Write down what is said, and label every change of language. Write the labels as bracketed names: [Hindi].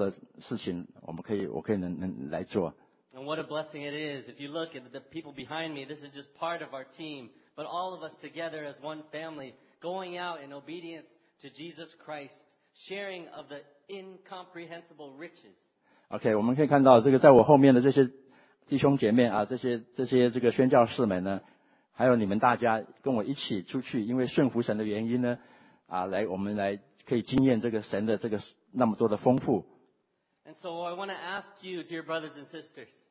[Chinese] 神真是把他的恩典完全浇灌在我身上，让我有能力来他呼召我做的事情，我可以来做。 [English] And what a blessing it is! If you look at the people behind me, this is just part of our team, but all of us together as one family, going out in obedience to Jesus Christ, sharing of the incomprehensible riches. [Chinese] Okay, 我们可以看到这个在我后面的这些。弟兄姐妹，这些宣教士们呢，还有你们大家跟我一起出去，因为顺服神的原因呢，我们来可以经验这个神的那么多的丰富。And [English] so I want to ask you, dear brothers and sisters.